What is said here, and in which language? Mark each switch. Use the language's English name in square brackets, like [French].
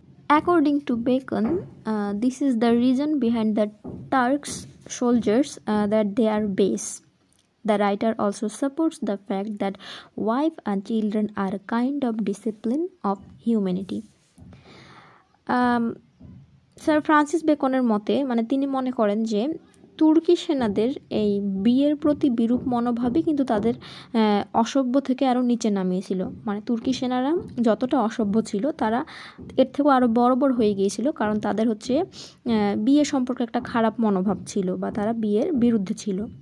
[English] According to Bacon this is the reason behind the Turks soldiers that they are base. The writer also supports the fact that wife and children are a kind of discipline of humanity. [Bangla] Sir Francis বেকনের মতে মানে তিনি মনে করেন যে তুর্কি সেনাদের এই বিয়ের প্রতি বিরূপ মনোভাবই কিন্তু তাদের অসভ্য থেকে আরও নিচে নামিয়েছিল। মানে তুর্কি সেনারা যতটা অসভ্য ছিল তারা এর থেকেও আরও বড় বড় হয়ে গিয়েছিল, কারণ তাদের হচ্ছে বিয়ে সম্পর্কে একটা খারাপ মনোভাব ছিল বা তারা বিয়ের বিরুদ্ধে ছিল।